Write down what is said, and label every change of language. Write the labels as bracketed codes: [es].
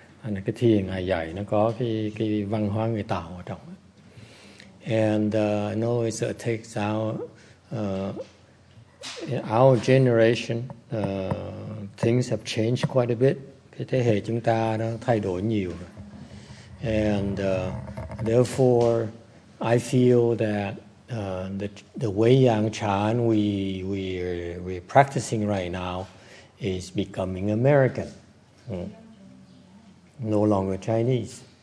[vi] And cái thiền Ngài dạy nó có cái văn hóa người Tao ở trong. [en] And I know it takes our generation, things have changed quite a bit. [vi] Cái thế hệ chúng ta đã thay đổi nhiều. [en] And therefore, I feel that the Wei Yang Chan we're practicing right now is becoming American, no longer Chinese.